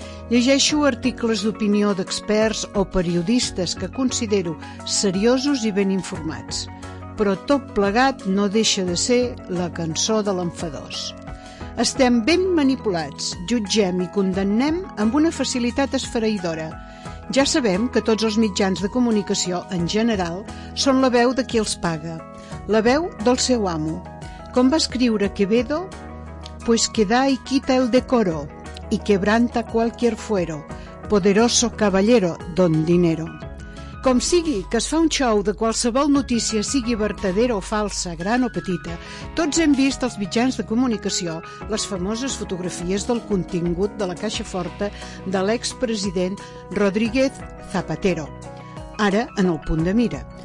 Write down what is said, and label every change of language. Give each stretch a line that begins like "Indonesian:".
Catalan: Llegeixo articles d'opinió d'experts o periodistes que considero seriosos i ben informats, però tot plegat no deixa de ser la cançó de l'enfadós. Estem ben manipulats, jutgem i condemnem amb una facilitat esfereïdora. Ja sabem que tots els mitjans de comunicació, en general, són la veu de qui els paga, la veu del seu amo. Com va escriure Quevedo?
Spanish: Pues que da y quita el decoro, y quebranta cualquier fuero, poderoso caballero don dinero.
Catalan: Com sigui, que es fa un xou de qualsevol notícia, sigui vertadera o falsa, gran o petita, tots hem vist als mitjans de comunicació les famoses fotografies del contingut de la caixa forta de l'expresident Rodríguez Zapatero, ara en el punt de mira.